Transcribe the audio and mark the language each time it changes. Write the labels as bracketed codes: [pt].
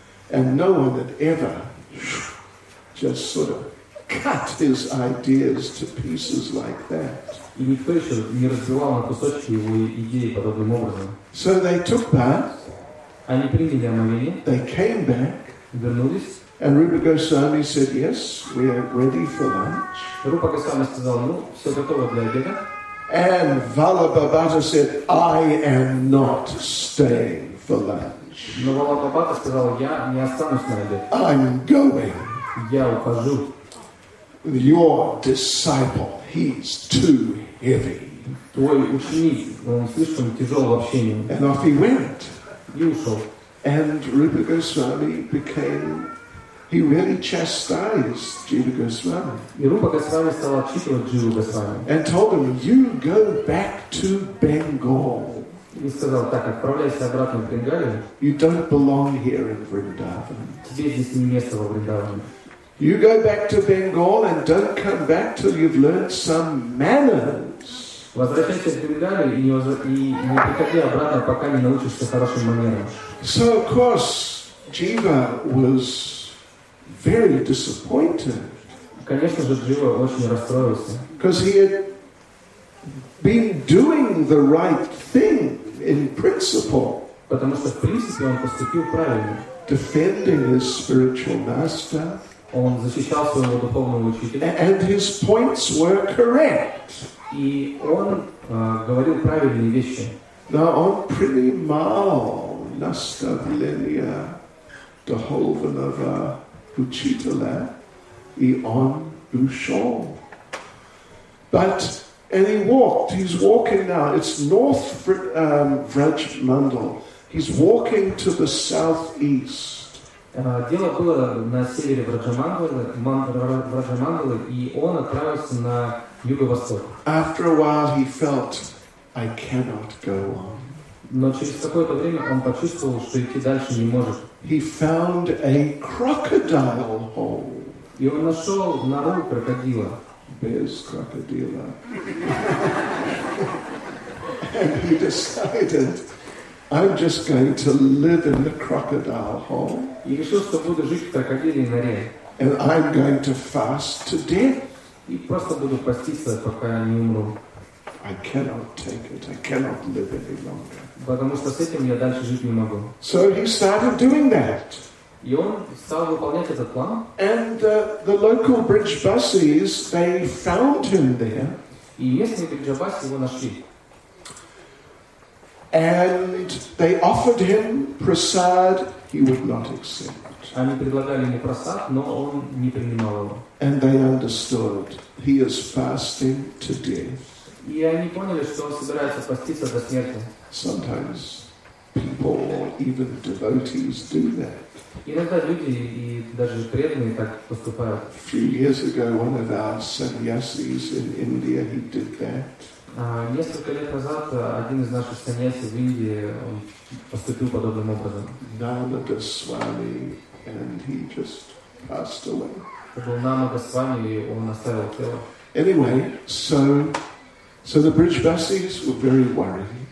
[en] And no one had ever just sort of cut his ideas to pieces like that. [ru] И никто ещё не разбивал на кусочки его идеи подобным образом. [en] So they took that. [ru] Они приняли омовение. [en] They came back. [ru] Вернулись. [en] And Rupa Goswami said, yes, we are ready for lunch. [ru] Rupa Goswami сказал, ну, все готово для обеда. [en] And Vallabhabhata said, I am not staying for lunch. [ru] Но Vallabhabhata сказал, я не останусь на обед. [en] I'm going. [ru] Я ухожу. [en] Your disciple, he's too heavy. [ru] Твой ученик, он слишком тяжел в общении. [en] And off he went. [ru] И ушел. [en] And Rupa Goswami became... He really chastised Jiva Goswami. [ru] И Рупа Госвами стал отчитывать Дживу Госвами. [en] And told him, "You go back to Bengal." [ru] И сказал так: "Отправляйся обратно в Бенгали." [en] You don't belong here in Vrindavan. [ru] Тебе здесь не место во Вриндаване. [en] You go back to Bengal and don't come back till you've learned some manners. [ru] Возвращайся в Бенгали и не приходи обратно, пока не научишься хорошим манерам. [en] So of course, Jiva was very disappointed. [ru] Конечно же, Джива очень расстроился. [en] Because he had been doing the right thing in principle. [ru] Потому что в принципе он поступил правильно. [en] Defending his spiritual master. [ru] Он защищал своего духовного учителя. [en] And his points were correct. [ru] И он говорил правильные вещи. Now on Primal Nastavlenia Dholvanava. Учителя и он ушел. [en] But, and he walked, he's walking now, it's north Vraj Mandal. He's walking to the southeast. [ru] Дело было на севере Враджа Мандалы, и он отправился на юго-восток. [en] After a while he felt, I cannot go on. [ru] Но через какое-то время он почувствовал, что идти дальше не может. [en] He found a crocodile hole. [ru] И он нашел нору крокодила. Без крокодила. [en] And he decided, I'm just going to live in the crocodile hole. [ru] И решил, что буду жить в крокодиле и норе. [en] And I'm going to fast to death. [ru] И просто буду поститься, пока я не умру. [en] I cannot take it. I cannot live any longer. [ru] Потому что с этим я дальше жить не могу. [en] So he started doing that. [ru] И он стал выполнять этот план. [en] And the local bridge buses, they found him there. [ru] И местные бриджабасы его нашли. [en] And they offered him prasad, he would not accept. [ru] Они предлагали ему прасад, но он не принимал его. [en] And they understood, he is fasting to death. [ru] И они поняли, что он собирается поститься до смерти. [en] Sometimes People, even devotees, do that. [ru] Иногда люди и даже преданные так поступают. [en] A few years ago, one of our sannyasis in India, he did that. [ru] Несколько лет назад один из наших саньяси в Индии поступил подобным образом. [en] Намада Свами, and he just passed away. [ru] Это был Намада Свами, и он оставил тело. [en] Anyway, so the Бриджбасис were very worried.